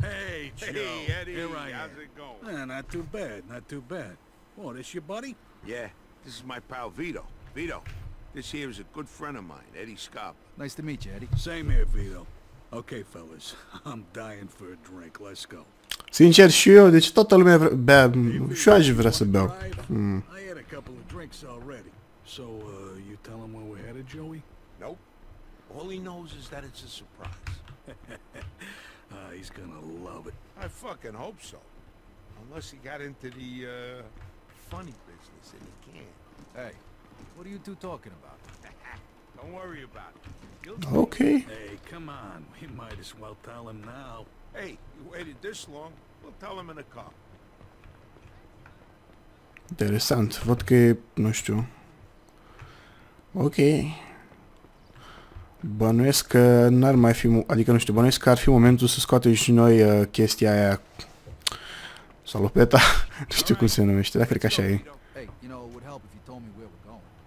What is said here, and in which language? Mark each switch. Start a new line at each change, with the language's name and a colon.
English: Hey, Joe. Hey, Eddie. Here I am. How's it going? Not too bad, not too bad. What, is your buddy? Yeah, this is my pal Vito. Vito, this here is a good friend of mine, Eddie Scarpa. Nice to meet you, Eddie. Same here, Vito. Okay, fellas, I'm dying for a drink. Let's go.
Romanian: Sincer și eu, deci toată lumea bea, și aș vrea să beau.
English: I had a couple of drinks already. So, you tell him where we're headed, Joey? Nope. All he knows is that it's a surprise. He's gonna love it. I fucking hope so. Unless he got into the, funny business and he can't. Hey, what are you two talking about? Don't worry about it. You'll okay. Hey, come on. We might as well tell him now. Hey, you waited this long. We'll tell him in a car.
Romanian: Interesant. Văd că nu știu. Okay. Bănuiesc că n-ar mai fi, adică nu știu, bănuiesc că ar fi momentul să scoate și noi chestia aia, salopeta, nu știu cum se numește, dar cred că așa e.
English: Hey, you know, it would help if you told me where we're going.